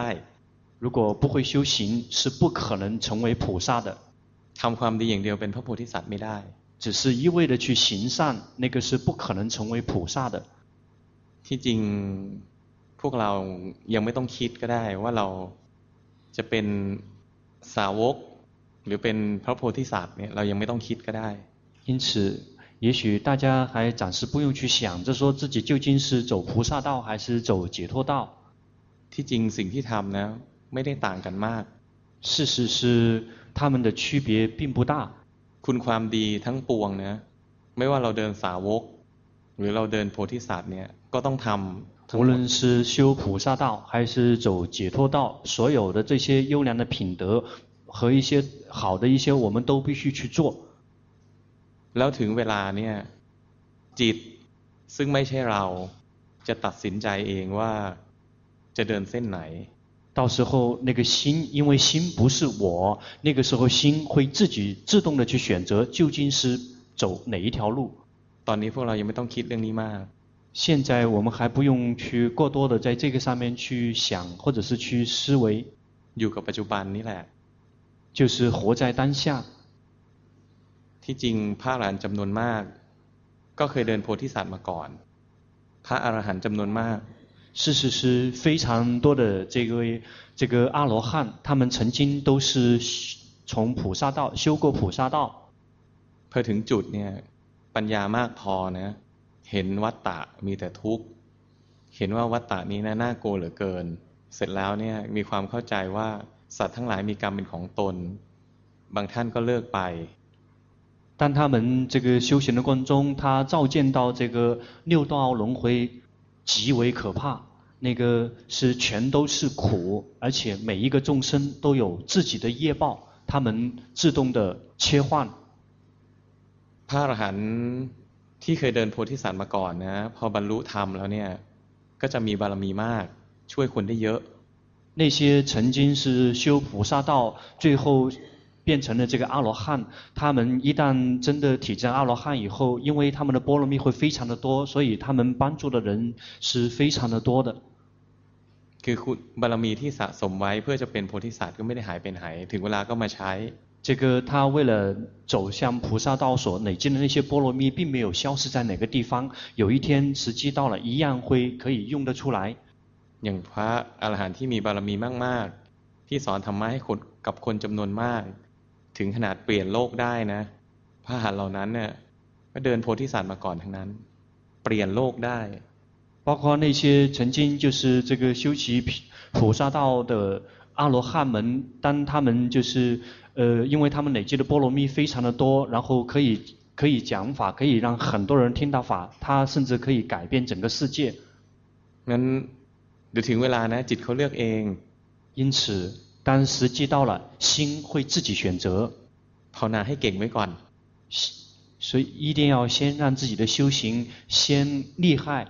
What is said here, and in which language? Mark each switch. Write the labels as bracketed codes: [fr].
[zh] 如果不会修行是不可能成为菩萨的 [th] ทำความดีอย่างเดียวเป็นพระโพธิสัตว์ไม่ได้ [zh] 只是一味的去行善，那个是不可能成为菩萨的。 [th] ที่จริงพวกเรายังไม่ต้องคิดก็ได้ว่าเราจะเป็นสาวกหรือเป็นพระโพธิสัตว์เนี่ยเรายังไม่ต้องคิดก็ได้。 [zh] 因此，也许大家还暂时不用去想着说自己究竟是走菩萨道还是走解脱道。 [th] ที่จริงสิ่งที่ทำนะไม่ได้ต่างกันมาก。 [zh] 事实是他们的区别并不大。 [th] คุณความดีทั้งปวงนะไม่ว่าเราเดินสาวกหรือเราเดินโพธิสัตว์เนี่ยก็ต้องทำ [zh] 无论是修菩萨道还是走解脱道所有的这些优良的品德和一些好的一些我们都必须去做 [th] แล้วถึงเวลาเนี่ยจิตซึ่งไม่ใช่เราจะตัดสินใจเองว่าจะเดินเส้นไหน [zh] 到时候那个心因为心不是我那个时候心会自己自动的去选择究竟是走哪一条路 [th] ตอนนี้พวกเรายังไม่ต้องคิดเรื่องนี้มาก [zh] 现在我们还不用去过多的在这个上面去想或者是去思维 [th] อยู่กับปัจจุบันนี่แหละ [zh] 就是活在当下 [th] ที่จริงพระอรหันต์จำนวนมากก็เคยเดินโพธิสัตว์มาก่อนพระอรหันต์จำนวนมาก สิ่งที่ [zh] 非常多的这个阿罗汉他们曾经都是从菩萨道修过菩萨道 [th] พอถึงจุดเนี่ยปัญญามากพอนะเห็นวัฏฏะมีแต่ทุกข์เห็นว่าวัฏฏะนี้น่ากลัวเหลือเกินเสร็จแล้วเนี่ยมีความเข้าใจว่าสัตว์ทั้งหลายมีกรรมเป็นของตนบางท่านก็เลิกไป แต่ [zh] 他们这个修行的过程中他照见到这个六道轮回极为可怕那个是全都是苦而且每一个众生都有自己的业报他们自动的切换 [th] พระอรหันต์ที่เคยเดินโพธิสัตว์มาก่อนนะพอบรรลุธรรมแล้วเนี่ยก็จะมีบารมีมากช่วยคนได้เยอะ [zh] 那些曾经是修菩萨道最后变成了这个阿罗汉他们一旦真的体证阿罗汉以后因为他们的波罗蜜会非常的多所以他们帮助的人是非常的多的 [th] คือคุณบารมีที่สะสมไว้เพื่อจะเป็นโพธิสัตว์ก็ไม่ได้หายเป็นหายถึงเวลาก็มาใช้ [zh] 这个他为了走向菩萨道所累积的那些波罗蜜并没有消失在哪个地方有一天时机到了一样会可以用得出来 [th] อย่างพระอรหันต์ที่มีบารมีมากๆที่สอนธรรมะให้คนกับคนจำนวนมากถึงขนาดเปลี่ยนโลกได้นะพระอรหันต์เหล่านั้นเนี่ยก็เดินโพธิสัตว์มาก่อนทั้งนั้นเปลี่ยนโลกได้ [zh] 包括那些曾经就是这个修习菩萨道的阿罗汉们当他们就是因为他们累积的波罗蜜非常的多然后可以讲法可以让很多人听到法他甚至可以改变整个世界 [th] งั้นเดี๋ยวถึงเวลานะจิตเขาเลือกเอง [zh] 因此当时机到了心会自己选择 [th] ภาวนาให้เก่งไว้ก่อน [zh] 所以一定要先让自己的修行先厉害